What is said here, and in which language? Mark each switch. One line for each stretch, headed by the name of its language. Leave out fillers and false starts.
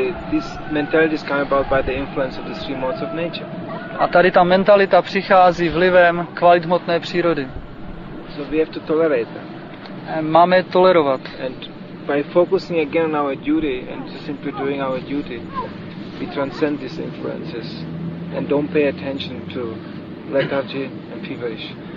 English: This mentality is coming about by the influence of the three modes of nature.
Czech: A tady ta mentalita přichází vlivem kvalit hmotné přírody.
English: So we have to tolerate that.
Czech: Máme tolerovat.
English: And by focusing again on our duty and just simply doing our duty, we transcend these influences and don't pay attention to lethargy and feverish.